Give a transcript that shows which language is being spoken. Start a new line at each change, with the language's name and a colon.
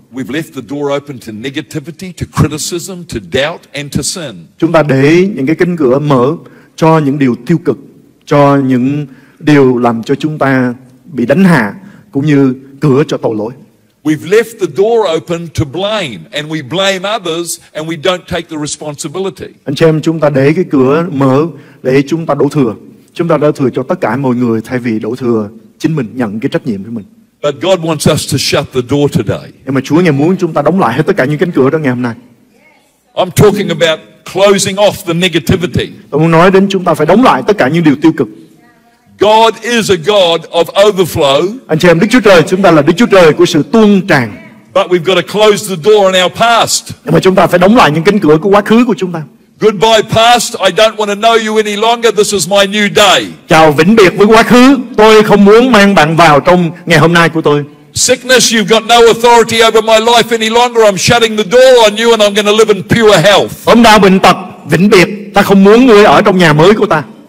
English: We've left the door open to negativity, to criticism, to doubt and to sin.
Vietnamese: Chúng ta để những cái cánh cửa mở cho những điều tiêu cực, cho những điều làm cho chúng ta bị đánh hạ, cũng như cửa cho tội lỗi.
English: We've left the door open to blame and we blame others and we don't take the responsibility.
Vietnamese: Anh chị em, chúng ta để cái cửa mở để chúng ta đổ thừa. Chúng ta đổ thừa cho tất cả mọi người thay vì đổ thừa chính mình, nhận cái trách nhiệm của mình.
English: But God wants us to shut the door today.
Vietnamese: Nhưng mà Chúa ngài muốn chúng ta đóng lại hết tất cả những cánh cửa đó ngày hôm nay.
English: I'm talking about closing off the negativity.
Vietnamese: Tôi muốn nói đến chúng ta phải đóng lại tất cả những điều tiêu cực.
English: God is a God of overflow.
Vietnamese: Anh chị em, Đức Chúa Trời chúng ta là Đức Chúa Trời của sự tuôn tràn.
English: But we've got to close the door on our past.
Vietnamese: Nhưng mà chúng ta phải đóng lại những cánh cửa của quá khứ của chúng ta.
English: Goodbye past, I don't want to know you any longer. This is my new day.
Vietnamese: Chào vĩnh biệt với quá khứ, tôi không muốn mang bạn vào trong ngày hôm nay của tôi.
English: Sickness, you've got no authority over my life any longer. I'm shutting the door on you and I'm going to live in pure health.
Vietnamese: Ốm đau bệnh tật, vĩnh biệt, ta không muốn ngươi ở trong nhà mới của ta.